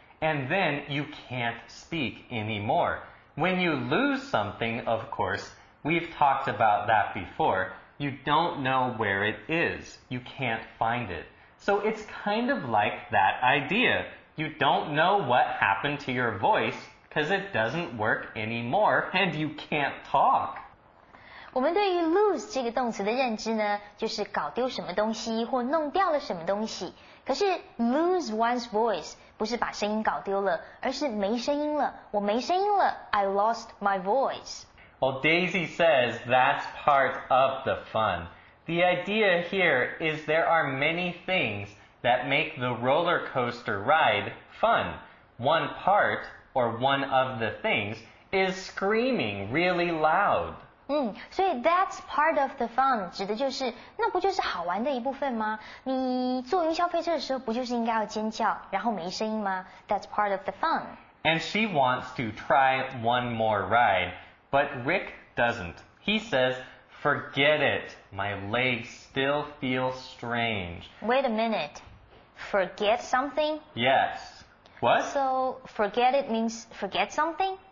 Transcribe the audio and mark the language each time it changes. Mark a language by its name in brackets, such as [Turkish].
[English] And then you can't speak anymore. When you lose something, of course, we've talked about that before, you don't know where it is. You can't find it. So it's kind of like that idea. You don't know what happened to your voice because it doesn't work anymore and you can't talk. [Chinese] 我们对于 lose 这个动词的认知呢就是搞丢什么东西或弄掉了什么东西。可是 [English] lose one's voice [Chinese] 不是把声音搞丢了而是没声音了。我没声音了 [English] I lost my voice. Well, Daisy says that's part of the fun. The idea here is there are many things that make the roller coaster ride fun. One part, or one of the things, is screaming really loud. [Chinese] 所以 [English] that's part of the fun [Chinese] 指的就是那不就是好玩的一部分吗？你坐云霄飞车的时候不就是应该要尖叫然后没声音吗？ [English] That's part of the fun. And she wants to try one more ride, but Rick doesn't. He says, forget it, my legs still feel strange. Wait a minute, forget something? Yes. What? So forget it means forget something?